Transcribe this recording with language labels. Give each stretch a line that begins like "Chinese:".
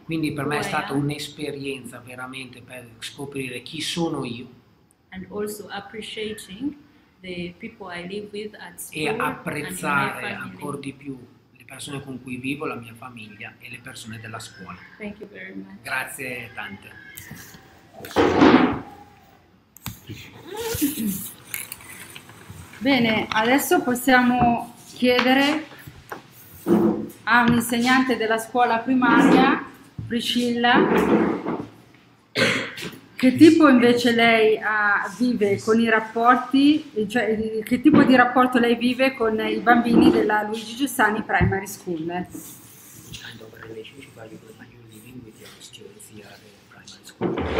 Italian: Quindi per me è stata un'esperienza veramente per scoprire chi sono io.
English: And also appreciating the people I live with at school,
Italian: e apprezzare ancor di più le persone con cui vivo, la mia famiglia e le persone della scuola.
English: Thank you very much.
Italian: Grazie tante. Bene, adesso possiamo chiedere a un insegnante della scuola primaria, Priscilla, che tipo invece lei vive con i rapporti, cioè che tipo di rapporto lei vive con i bambini della Luigi Giussani Primary School?
English: Kind of relationship are you living with your students here at the primary school?